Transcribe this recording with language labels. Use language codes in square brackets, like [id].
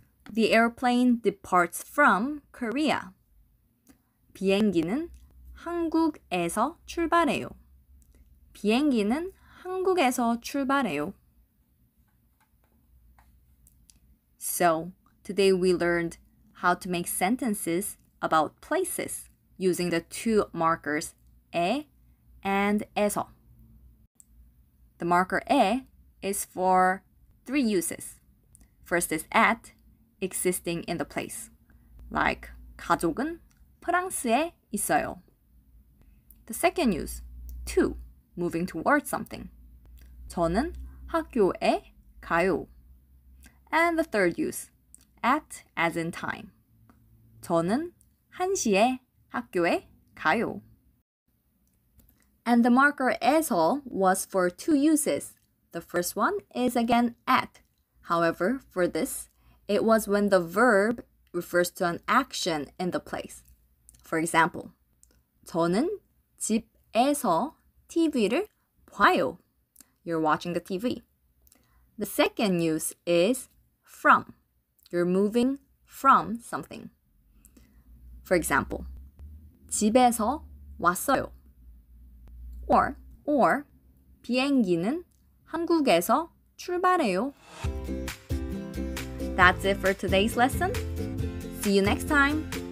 [en] The airplane departs from Korea. [ko] 비행기는 한국에서 출발해요. 비행기는 한국에서 출발해요. [en] So, today we learned how to make sentences about places using the two markers 에 and 에서. The marker 에 is for three uses. First is at, existing in the place. Like [ko] 가족은 프랑스에 있어요. [en] The second use, to, moving towards something. [ko] 저는 학교에 가요. [en] And the third use, at, as in time. [ko] 저는 1시에 학교에 가요. [en] And the marker 에서 was for two uses. The first one is again at. However, for this, it was when the verb refers to an action in the place. For example, [ko] 저는 집에서 TV를 봐요. [en] You're watching the TV. The second use is from. You're moving from something. For example, [ko] 집에서 왔어요. [en] Or [ko] 비행기는 한국에서 출발해요. [en] That's it for today's lesson. See you next time.